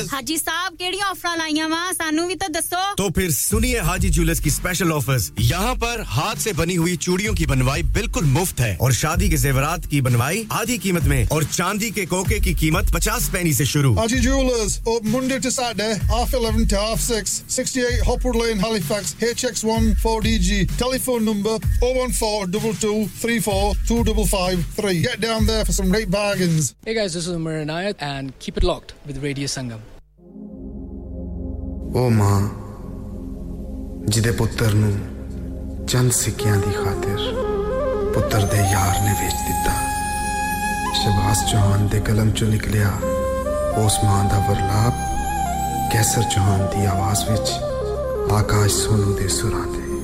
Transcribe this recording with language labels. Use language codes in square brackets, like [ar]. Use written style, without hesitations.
[pa] ہاں جی صاحب کیڑی آفر لائیاں وہاں سانو بھی تو دسو [ur] تو پھر سنیے حاجی جولرز کی اسپیشل آفرز یہاں پر ہاتھ سے بنی ہوئی چوڑیوں کی بنوائی بالکل مفت ہے اور شادی کے زیورات کی بنوائی آدھی قیمت میں اور چاندی کے کوکے کی قیمت 50 پینی سے شروع [en] Haji jewellers open Monday to Saturday half 11 to half 6 68 Hopwood Lane Halifax HX14DG telephone number 01422342553 get down there for some great bargains hey guys this is Umar Inayat and keep it locked with radio Sangam [pa] او ماں جدے پتر نوں چند سکیاں دی خاطر پتر دے یار نے ویچ دیتا شباز چوہان دے قلم چوں نکلیا اس ماں دا ورلاپ کیسر چوہان دی آواز وچ آکاش سونو دے سران دے